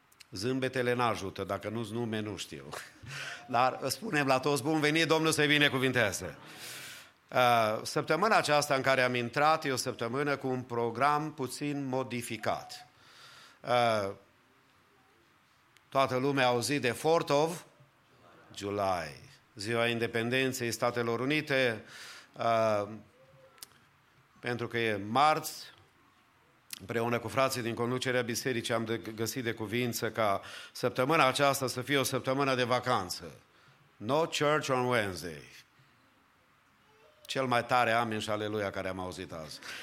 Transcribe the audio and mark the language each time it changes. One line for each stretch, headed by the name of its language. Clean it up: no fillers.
Romanian: Zâmbetele n-ajută, dacă nu-ți nume, nu știu. Dar spunem la toți, bun venit, Domnul să-i binecuvinteze. Săptămâna aceasta în care am intrat e o săptămână cu un program puțin modificat. Toată lumea a auzit de 4th of July. Ziua Independenței Statelor Unite, pentru că e marți, împreună cu frații din conducerea bisericii am găsit de cuvință ca săptămâna aceasta să fie o săptămână de vacanță.
English: No church on Wednesday.
Romanian: Cel mai tare amin și aleluia care am auzit azi.